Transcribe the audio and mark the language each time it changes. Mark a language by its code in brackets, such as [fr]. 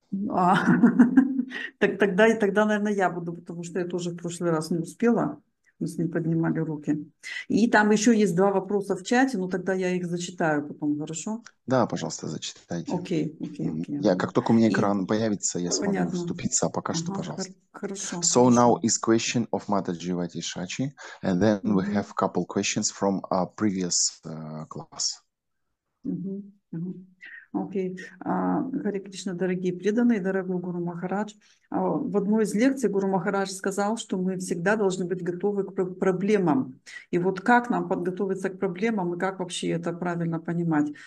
[ru] А, тогда, наверное, я буду, потому что я тоже в прошлый раз не успела. Мы с ним поднимали руки. И там еще есть два вопроса в чате, но тогда я их зачитаю потом, хорошо? Да, пожалуйста, зачитайте. Окей, окей, окей. Я, как только у меня экран появится, я смогу вступиться. Пока что, пожалуйста. Хорошо. [en] So now is question of Mataji Vatishachi, and then we have a couple questions from our previous class. [ru] Окей. Харе Кришна, дорогие преданные, дорогой Гуру Махарадж. В одной из лекций Гуру Махарадж сказал, что мы всегда должны быть готовы к проблемам. И вот как нам подготовиться к проблемам и как вообще это правильно понимать?